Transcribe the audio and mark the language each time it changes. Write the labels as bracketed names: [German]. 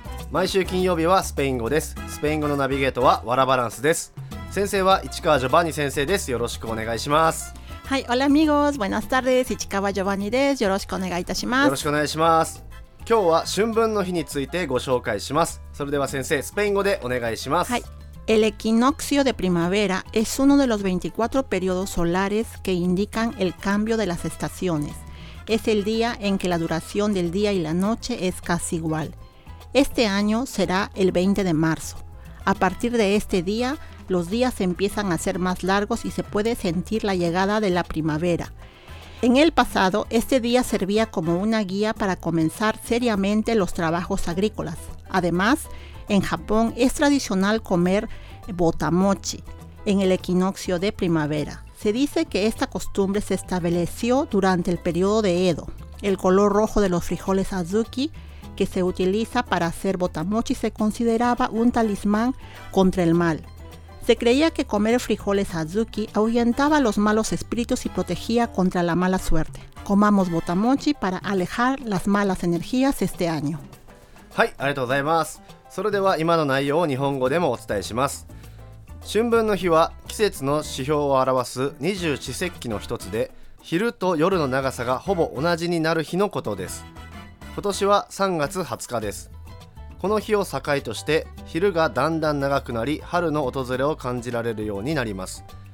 [Japanese] 毎週金曜日はスペイン語です。スペイン語のナビゲートはワラバランスです。先生は市川ジョバニ先生です。よろしくお願いします。はい、 [Spanish] Hola amigos, buenas tardes, [Japanese] 市川ジョバニです。よろしくお願いいたします。よろしくお願いします。今日は春分の日についてご紹介します。それでは先生、スペイン語でお願いします。 [Spanish] はい、El equinoccio de primavera es uno de los 24 periodos solares que indican el cambio de las estaciones. Es el día en que la duración del día y la noche es casi igual. Este año será el 20 de marzo. A partir de este día, los días empiezan a ser más largos y se puede sentir la llegada de la primavera. En el pasado, este día servía como una guía para comenzar seriamente los trabajos agrícolas. Además, en Japón es tradicional comer botamochi en el equinoccio de primavera. Se dice que esta costumbre se estableció durante el periodo de Edo. El color rojo de los frijoles azuki que se utiliza para hacer botamochi se consideraba un talismán contra el mal. Se creía que comer frijoles azuki ahuyentaba los malos espíritus y protegía contra la mala suerte. Comamos botamochi para alejar las malas energías este año. [Japanese] Hi, arigatou. それでは今の内容を日本語でもお伝えします。春分の日は季節の指標を表す二十四節気の一つで、昼と夜の長さがほぼ同じになる日のことです。今年は3月20日です。この日を境として昼がだんだん長くなり、春の訪れを感じられるようになります。